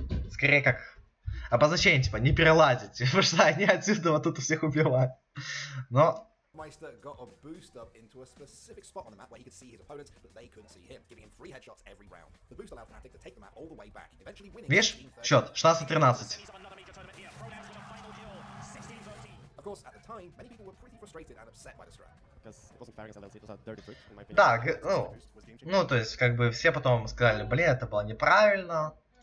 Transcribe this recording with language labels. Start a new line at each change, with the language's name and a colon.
Russian: скорее как... Обозначение, типа, не перелазить, потому что они отсюда вот тут всех убивают. Но...
English: Meister got a boost up into a specific spot on the map where he could see his opponents, but they couldn't see him, giving him free headshots every round. The boost allowed Fnatic to take the map all the way back, eventually winning.
Russian: Видишь? Счет 16-13.
English: Of course, at the time, many people were pretty frustrated and upset by the strat.
Russian: Так, ну то есть как бы все потом сказали: блин, это было неправильно.